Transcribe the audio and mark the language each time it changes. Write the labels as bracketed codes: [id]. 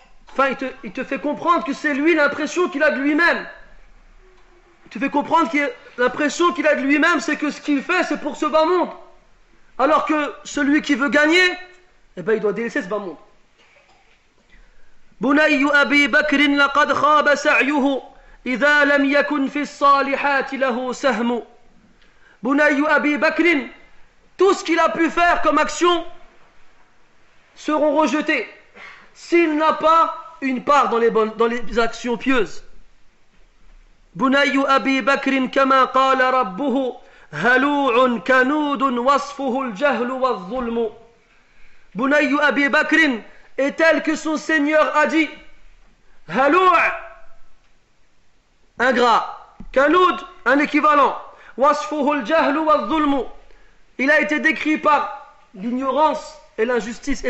[fr] Enfin, il te fait comprendre que c'est lui l'impression qu'il a de lui-même. Il te fait comprendre que l'impression qu'il a de lui-même, c'est que ce qu'il fait, c'est pour ce bas monde. Alors que celui qui veut gagner, eh ben, il doit délaisser ce bas monde. [ar] بني أبي بكر لقد خاب سعيه إذا لم يكن في الصالحات له سهم. [fr] بني أبي بكر, tout ce qu'il a pu faire comme action seront rejetés s'il n'a pas une part dans les actions pieuses. [ar] بني أبي بكر كما قال ربه هلوع كنود وصفه الجهل والظلم. [fr] بني أبي بكر est tel que son Seigneur a dit, halou' ingrat, kanoud un équivalent, [ar] wasfuhu al-jahl wa al-dhulm, [fr] il a été décrit par l'ignorance et l'injustice.